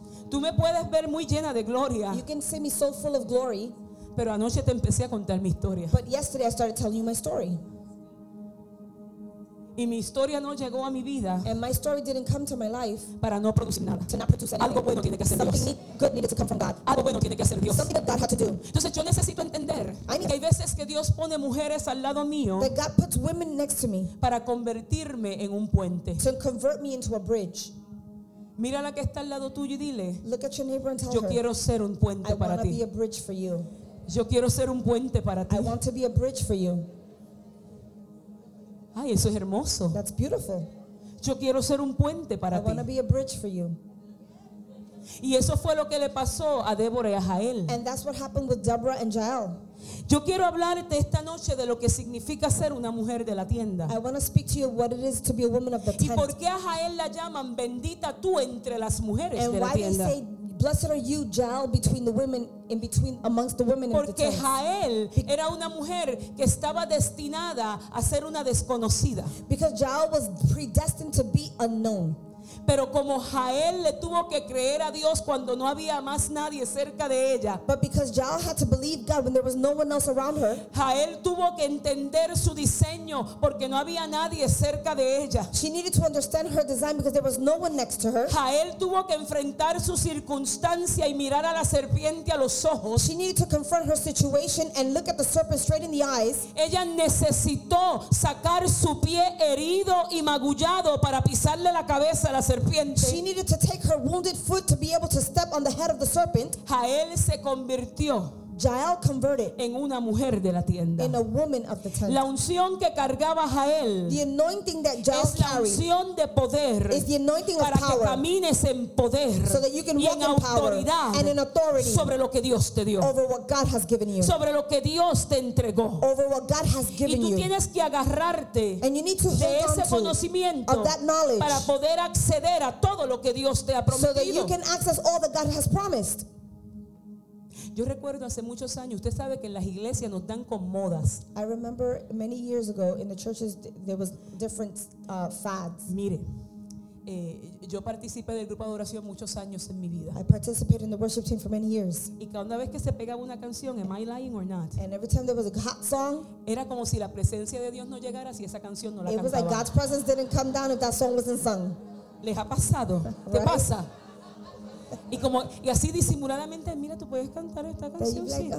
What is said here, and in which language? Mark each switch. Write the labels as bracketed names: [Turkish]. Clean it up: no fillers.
[Spanish] Tú me puedes ver muy llena de gloria. [English] You can see me so full of glory. [Spanish] Pero anoche te empecé a contar mi historia. [English] But yesterday I started telling you my story. [Spanish] Y mi historia no llegó a mi vida. [English] And my story didn't come to my life. [Spanish] Para no producir nada. [English] To not produce anything. [Spanish] Algo bueno tiene que hacer Dios. [English] Something good needed to come from God. [Spanish] Algo bueno tiene que hacer Dios. [English] Something that God had to do. [Spanish] Entonces yo necesito entender. Hay veces que Dios pone mujeres al lado mío. [English] That God puts women next to me. [Spanish] Para convertirme en un puente. [English] To convert me into a bridge. [Spanish] Mira la que está al lado tuyo y dile. [English] Look at your neighbor and tell her. [Spanish] Yo quiero ser un puente para ti. [English] I want to be a bridge for you. [Spanish] Yo quiero ser un puente para ti. [English] I want to be a bridge for you. [Spanish] Ay, eso es hermoso. [English] That's beautiful. [Spanish] Yo quiero ser un puente para [English] ti. I want to be a bridge for you. [Spanish] Y eso fue lo que le pasó a Deborah y a Jael. [English] And that's what happened with Deborah and Jael. [Spanish] Yo quiero hablarte esta noche de lo que significa ser una mujer de la tienda. [English] I want to speak to you what it is to be a woman of the tent. [Spanish] ¿Y por qué a Jael la llaman bendita tú entre las mujeres [English] and [Spanish] de la tienda? [English] And why they say blessed are you, Jael, between the women, in between amongst the women in [Spanish] porque [English] the tent? [Spanish] Porque Jael era una mujer que estaba destinada a ser una desconocida. [English] Because Jael was predestined to be unknown. [Spanish] Pero como Jael le tuvo que creer a Dios cuando no había más nadie cerca de ella. [English] But because Jael had to believe God when there was no one else around her. [Spanish] Jael tuvo que entender su diseño porque no había nadie cerca de ella. [English] She needed to understand her design because there was no one next to her. [Spanish] Jael tuvo que enfrentar su circunstancia y mirar a la serpiente a los ojos. [English] She needed to confront her situation and look at the serpent straight in the eyes. [Spanish] Ella necesitó sacar su pie herido y magullado para pisarle la cabeza a la serpiente. [English] She needed to take her wounded foot to be able to step on the head of the serpent. [Spanish] Jael se convirtió. [English] Jael converted. [Spanish] En una mujer de la tienda. [English] In a woman of the tent. [Spanish] La unción que cargaba Jael. [English] The anointing that Jael carried. [Spanish] Es la unción de poder. [English] Is the anointing of [Spanish] para [English] power. [Spanish] Para que camines en poder. [English] So that you can [Spanish] y [English] walk [Spanish] en autoridad. [English] In power and in authority. [Spanish] Sobre lo que Dios te dio. [English] Over what God has given you. [Spanish] Sobre lo que Dios te entregó. [English] Over what God has given you. [Spanish] Y tú tienes que agarrarte. [English] And you need to hold [Spanish] de ese conocimiento. [English] Of that knowledge. [Spanish] Para poder acceder a todo lo que Dios te ha prometido. [English] So that you can access all that God has promised. [Spanish] Yo recuerdo hace muchos años, usted sabe que en las iglesias nos dan con modas. [English] I remember many years ago in the churches there was different fads. [Spanish] Mire, yo participé del grupo de adoración muchos años en mi vida. [English] I participated in the worship team for many years. [Spanish] Y cada vez que se pegaba una canción, [English] am I lying or not? And every time there was a hot song, [Spanish] era como si la presencia de Dios no llegara si esa canción no la cantaba. [English] It was like God's presence didn't come down if that song wasn't sung. [Spanish] ¿Les ha pasado? ¿Te pasa? Y como y así disimuladamente, mira, tú puedes cantar esta cancioncita.